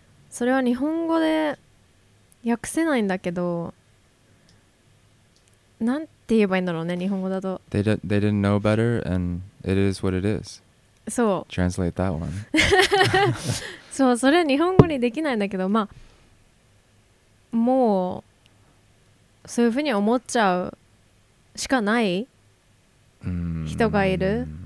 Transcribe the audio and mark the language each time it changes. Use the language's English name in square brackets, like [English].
[Japanese] それは日本語で訳せないんだけど、なんて言えばいいんだろうね、日本語だと。 [English] They didn't know better and it is what it is. [Japanese] そう。 [English] Translate that one. [Japanese] そう、それは日本語にできないんだけど、まあ、もう、そういうふうに思っちゃうしかない人がいる。